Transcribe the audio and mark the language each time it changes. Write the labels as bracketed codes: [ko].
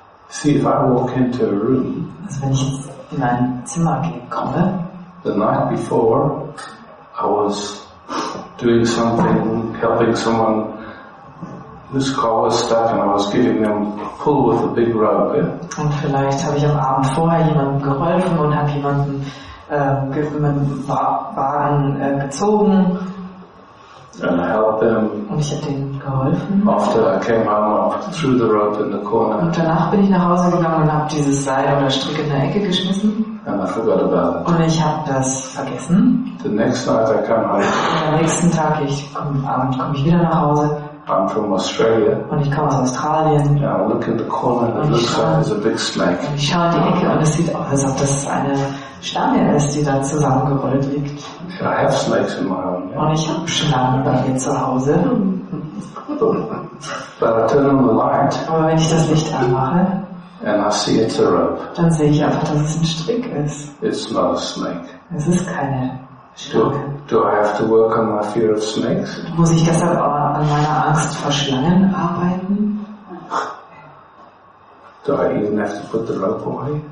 [en] See, if I walk into a room, [de] also wenn ich in ein Zimmer komme, [en] the night before I was doing something, helping someone whose car was stuck and I was giving them a pull with a big rope. [de] Und vielleicht habe ich am Abend vorher jemandem geholfen und habe jemanden gezogen. [en] And I helped them. [de] Und ich habe denen geholfen. [en] After I came home, I threw the rope in the corner. [de] Und danach bin ich nach Hause gegangen und habe dieses Seil oder Strick in der Ecke geschmissen. [en] And I forgot about it. [de] Und ich habe das vergessen. [en] The next night I come home. [de] Und am nächsten Tag, komme ich wieder nach Hause. [en] I'm from Australia. [de] Und ich komme aus Australien. [en] Yeah, I look in the corner and it looks like it's a big snake. [de] Und ich schaue in die Ecke und es sieht aus, als ob das eine Schlange ist, die da zusammengerollt liegt. [en] Yeah, I have snakes in my home, yeah. [de] Und ich habe Schlangen bei mir zu Hause. [en] But I turn on the light. [de] Aber wenn ich das Licht anmache, [en] And I see it's a rope. [de] Dann sehe ich einfach, dass es ein Strick ist. [en] It's not a snake. [de] Es ist keine Schlange. [en] Do I have to work on my fear of snakes? [de] Muss ich deshalb aber an meiner Angst vor Schlangen arbeiten? [en] Do I even have to put the rope away?